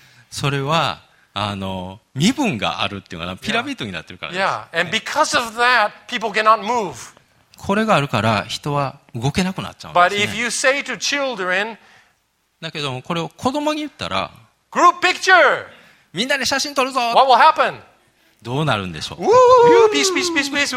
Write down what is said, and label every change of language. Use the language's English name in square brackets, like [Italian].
[Japanese] それは身分があるっていうかな、ピラミッドになってるからです。 [English] Yeah, and because of that, people cannot move. [Japanese] これがあるから人は動けなくなっちゃうんですね。 [English] But if you say to children, [Japanese] だけどもこれを子供に言ったら、 [English] group picture. [Japanese] みんなで写真撮るぞ。 [English] What will happen? [Japanese] どうなるんでしょう。ウーピースピースピースピース。